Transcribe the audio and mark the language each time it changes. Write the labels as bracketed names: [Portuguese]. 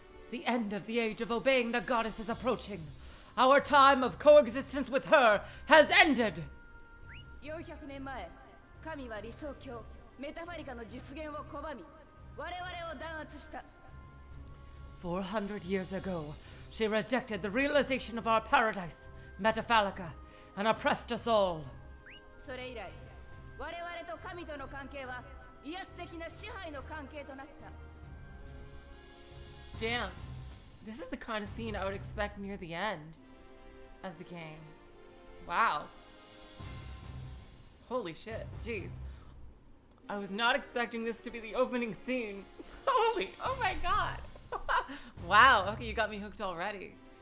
[English] The end of the age of obeying the goddess is approaching. Our time of coexistence with her has ended. [Japanese] 400年前, 神は理想郷, メタファリカの実現を拒み, 我々を弾圧した。 [English] 400 years ago, she rejected the realization of our paradise, Metaphalica, and oppressed us all. [Japanese] それ以来, 我々と神との関係は威圧的な支配の関係となった。 [English] Damn. This is the kind of scene I would expect near the end of the game. Wow. Holy shit. Jeez. I was not expecting this to be the opening scene. Holy. Oh my god. Wow. Okay, you got me hooked already.